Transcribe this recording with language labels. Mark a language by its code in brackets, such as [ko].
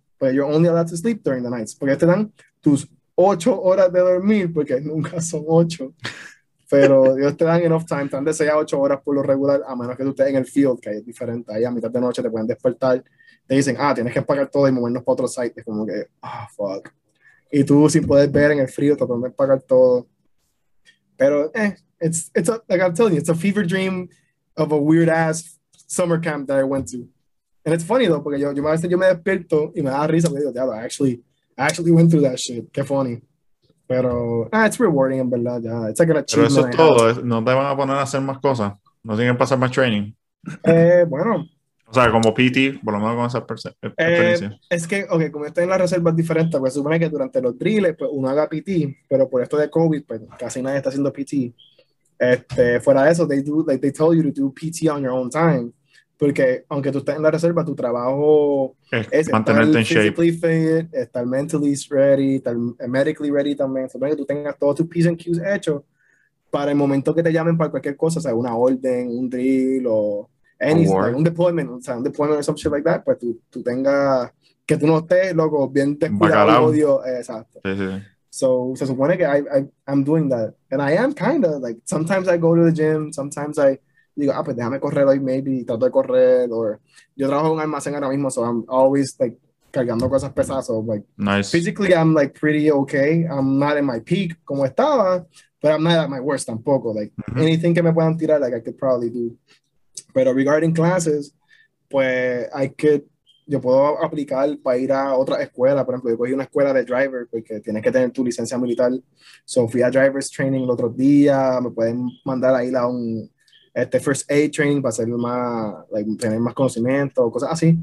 [en] But you're only allowed to sleep during the nights, [es] porque te dan tus 8 horas de dormir, porque nunca son 8. Pero ellos te dan [en] enough time, [es] te dan de 6 a 8 horas por lo regular, a menos que tú estés en el field, que es diferente. Ahí a mitad de noche te pueden despertar, te dicen, ah, tienes que empacar todo y movernos para otro site. Es como que, ah, [en] oh, fuck. [es] Y tú sin poder ver en el frío, te pueden empacar todo. [en] Pero, like I'm telling you, it's a fever dream of a weird ass summer camp that I went to. And it's funny though, [es] porque yo me despierto y me da risa, porque digo, diablo, [en] I actually went through that shit. Qué funny. Pero, it's rewarding, [es] en verdad, ya. [en] It's like an achievement. [es] Pero eso es todo. ¿No te van a poner a hacer más cosas? ¿No tienen que pasar más training? Bueno. O sea, como PT, por lo menos con esa experiencia. Es que, ok, como estoy en la reserva es diferente, pues supone que durante los drills, pues uno haga PT, pero por esto de COVID, pues casi nadie está haciendo PT. [en] Fuera de eso, they tell you to do PT on your own time. [es] Porque aunque tú estés en la reserva, tu trabajo es mantenerte en shape. [en] Physically fit, [es] estar mentally ready, estar medically ready también. Supongo que tú tengas todos tus P's and Q's hechos. para el momento que te llamen para cualquier cosa, o sea, una orden, un drill, o un deployment, o sea, un deployment o [en] some shit like that, [es] pues tú tengas, que tú no estés, loco, bien descuidado, odio, exacto. Sí, sí. [en] So, [es] se supone que [en] I'm doing that, and I am kind of, like, sometimes I go to the gym, sometimes I, [es] digo, ah, pues déjame correr hoy, [en] maybe, [es] trato de correr, [en] or, [es] yo trabajo en un almacén ahora mismo, [en] so I'm always, like, [es] cargando cosas pesadas, [en] so, like, nice. Physically, I'm, like, pretty okay, I'm not in my peak, [es] como estaba, [en] but I'm not at my worst, [es] tampoco, [en] like, mm-hmm. [es] anything que me puedan tirar, like, [en] I could probably do, [es] pero [en] regarding classes, [es] pues, yo puedo aplicar para ir a otra escuela, por ejemplo, yo cogí una escuela de driver, porque tienes que tener tu licencia militar, so fui a driver's training el otro día, me pueden mandar ahí a un, este first aid training para hacer más, like, tener más conocimiento, cosas así.